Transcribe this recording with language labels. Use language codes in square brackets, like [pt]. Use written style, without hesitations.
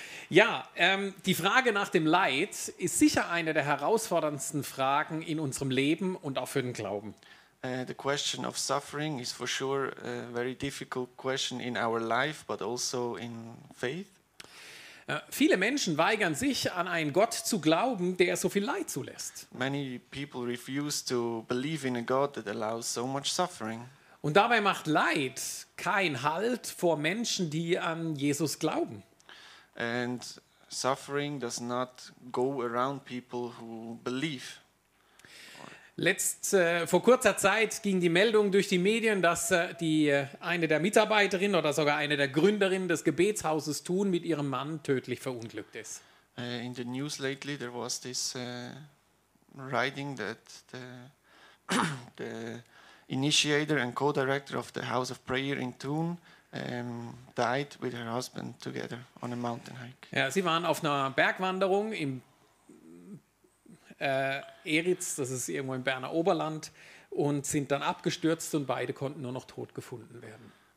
[de] Ja, die Frage nach dem Leid ist sicher eine der herausforderndsten Fragen in unserem Leben und auch für den Glauben. [en] The question of suffering is for sure a very difficult question in our life, but also in faith. [de] Viele Menschen weigern sich, an einen Gott zu glauben, der so viel Leid zulässt. [en] Many people refuse to believe in a God that allows so much suffering. [de] Und dabei macht Leid keinen Halt vor Menschen, die an Jesus glauben. [en] And suffering does not go around people who believe. [de] Vor kurzer Zeit ging die Meldung durch die Medien, dass eine der Mitarbeiterinnen oder sogar eine der Gründerinnen des Gebetshauses Thun mit ihrem Mann tödlich verunglückt ist. [en] In the news lately there was this writing that the initiator and co-director of the House of Prayer in Thun died with her husband together on a mountain hike. [de] Ja, sie waren auf einer Bergwanderung im Eritz, das ist irgendwo im Berner Oberland, und sind dann abgestürzt und beide konnten nur noch tot gefunden werden.